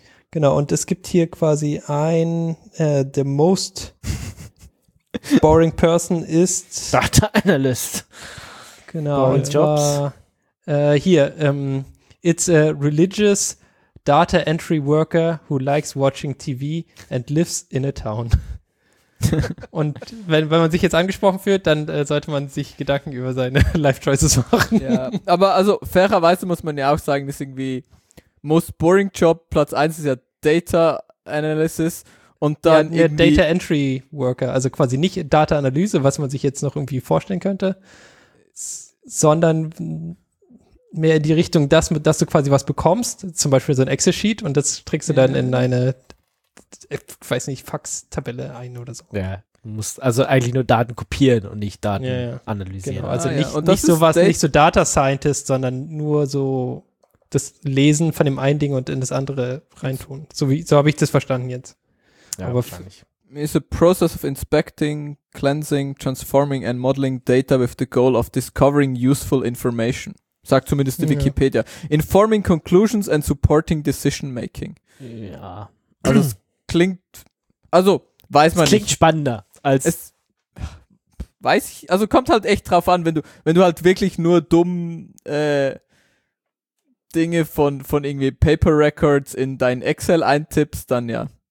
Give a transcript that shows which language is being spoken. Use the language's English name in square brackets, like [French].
[German] Genau, und es gibt hier quasi ein [English] the most boring person [German] ist Data Analyst. Genau, boring und zwar, Jobs. [English] Hier, it's a religious data entry worker who likes watching TV and lives in a town. [German] Und wenn man sich jetzt angesprochen fühlt, dann sollte man sich Gedanken über seine Life-Choices machen. Ja, aber also fairerweise muss man ja auch sagen, das ist irgendwie Most Boring Job, Platz 1 ist ja Data Analysis und dann ja, irgendwie Data Entry Worker, also quasi nicht Data Analyse, was man sich jetzt noch irgendwie vorstellen könnte, sondern mehr in die Richtung, dass du quasi was bekommst, zum Beispiel so ein Excel-Sheet und das trägst du dann in eine, ich weiß nicht, Fax-Tabelle ein oder so. Ja, du musst also eigentlich nur Daten kopieren und nicht Daten analysieren. Genau. Also nicht so was, nicht so Data Scientist, sondern nur so das Lesen von dem einen Ding und in das andere reintun. So habe ich das verstanden jetzt. Ja, aber wahrscheinlich. [English] Is a process of inspecting, cleansing, transforming and modeling data with the goal of discovering useful information. [German] Sagt zumindest die Wikipedia. [English] Informing conclusions and supporting decision making. [German] Ja. Also es klingt, also weiß man nicht. Klingt spannender als es, weiß ich, also kommt halt echt drauf an, wenn du halt wirklich nur dumm Dinge von irgendwie Paper Records in dein Excel eintippst, dann ja.